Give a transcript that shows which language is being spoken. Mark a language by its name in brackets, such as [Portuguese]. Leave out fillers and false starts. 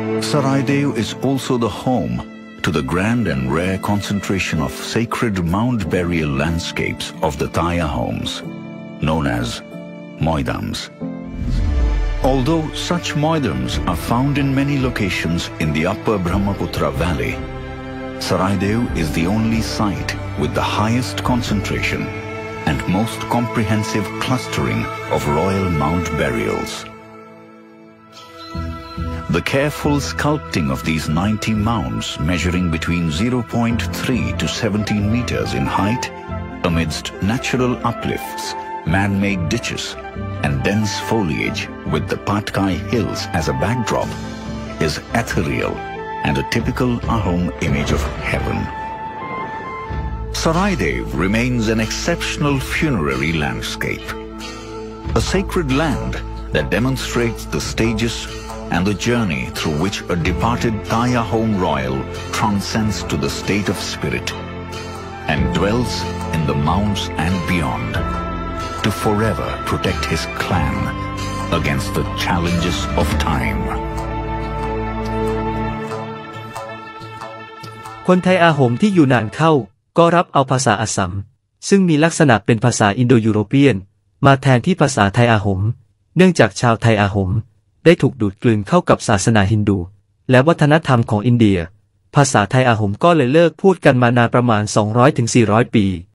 [English] Saraideu is also the home to the grand and rare concentration of sacred mound burial landscapes of the Thai Ahoms known as Moidams Although such moidams are found in many locations in the upper Brahmaputra valley, Saraideu is the only site with the highest concentration and most comprehensive clustering of royal mound burials. The careful sculpting of these 90 mounds measuring between 0.3 to 17 meters in height amidst natural uplifts, man-made ditches, and dense foliage with the Patkai Hills as a backdrop is ethereal and a typical Ahom image of heaven. Saraideu remains an exceptional funerary landscape, a sacred land that demonstrates the stages and the journey through which a departed Thai Ahom royal transcends to the state of spirit and dwells in the mounds and beyond. To forever protect his clan against the challenges of time. [Thai] คนไทยอาหงที่อยู่นานเข้าก็รับเอาภาษาอัสสัมซึ่งมีลักษณะเป็นภาษาอินโดยูโรเปียนมาแทนที่ภาษาไทยอาหงเนื่องจากชาวไทยอาหงได้ถูกดูดกลืนเข้ากับศาสนาฮินดูและวัฒนธรรมของอินเดียภาษาไทยอาหงก็เลยเลิกพูดกันมานานประมาณ 200-400 ปี